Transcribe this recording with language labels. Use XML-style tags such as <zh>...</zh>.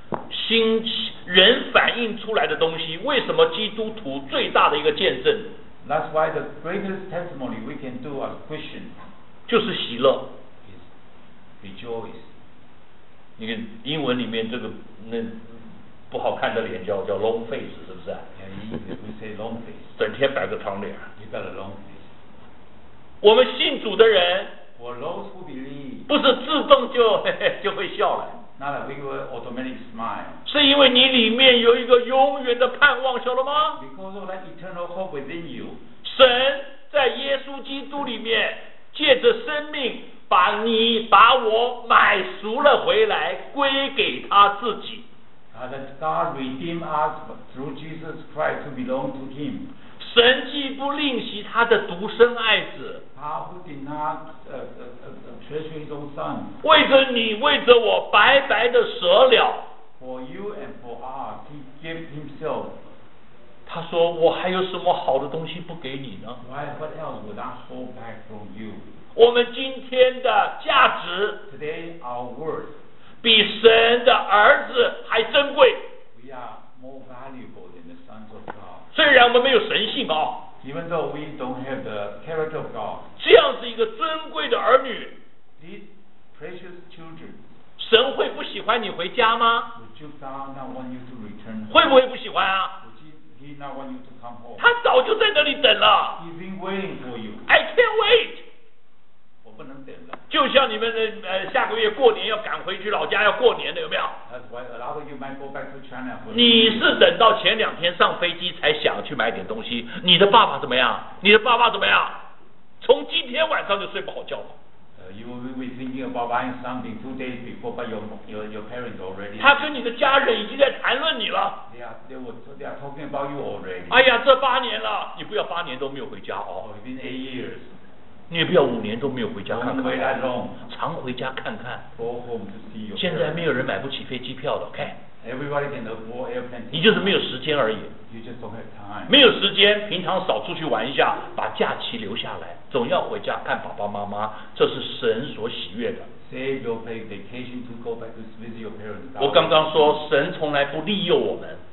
<zh>心人反映出来的东西，为什么基督徒最大的一个见证</zh> <en>？That's why the greatest testimony we can do as Christians</en> <zh>就是喜乐</zh> <en>，is rejoice。</en> <zh>你看英文里面这个那不好看的脸叫</zh> <en>long face，</en> <zh>是不是</zh> <en>？Yeah, we say long face。</en> <zh>整天摆个长脸。</zh> <en>You got a long face。</en> <zh>我们信主的人</zh> <en>，for those who believe，</en> <zh>不是自动就会笑了。</zh> <en>Not that we will automatically smile.</en> <zh>是因为你里面有一个永远的盼望，晓得吗</zh> <en>？Because of that eternal hope within you.</en> <zh>神在耶稣基督里面，借着生命把你把我买赎了回来，归给他自己。</zh> <en>That God redeemed us through Jesus Christ to belong to Him.</en> <zh>神既不吝惜他的独生爱子。</zh> <en>他 who did not treasure his own son，</en> <zh>为着你，为着我，白白的舍了。</zh> <en>For you and for us, he gave himself.</en> <zh>他说：“我还有什么好的东西不给你呢</zh> <en>？”Why what else would I hold back from you？</en> <zh>我们今天的价值</zh> <en>，today our worth，</en> <zh>比神的儿子还珍贵。</zh> <en>We are more valuable than the sons of God。</en> <zh>虽然我们没有神性啊。</zh> <en>Even though we don't have the character of God，</en> <zh>这样子一个尊贵的儿女</zh> <en>，these precious children，</en> <zh>神会不喜欢你回家吗</zh> <en>？Would you not want you to return？</en> <zh>会不会不喜欢啊</zh> <en>？Would he not want you to come home？</en> <zh>他早就在那里等了。</zh> <en>He's been waiting for you。 I can't wait。</en> <zh>我不能等了。就像你们下个月过年要赶回去老家要过年的，有没有</zh> <en>？That's why a lot of you might go back to China for.</en> <zh>你是等到前两天上飞机才想去买点东西。你的爸爸怎么样？你的爸爸怎么样？从今天晚上就睡不好觉了。</zh> <en>You will be thinking about buying something 2 days before, but your parents already.</en> <zh>他跟你的家人已经在谈论你了。</zh> <en>They are talking about you already.</en> <zh>哎呀，这八年了，你不要八年都没有回家哦。</zh> <en>Oh, it's been 8 years.</en> <zh>你也不要五年都没有回家看看，回来常回家看看。</zh> <en>Go home to see your.</en> <zh>现在没有人买不起飞机票的 ，OK。</zh> <en>Everybody can afford airplane.</en> <zh>你就是没有时间而已。</zh> <en>You just don't have time.</en> <zh>没有时间，平常少出去玩一下，把假期留下来，总要回家看爸爸妈妈，这是神所喜悦的。</zh> <en>Save your pay vacation to go back to visit your parents.</en> <zh>我刚刚说，神从来不利诱我们。</zh>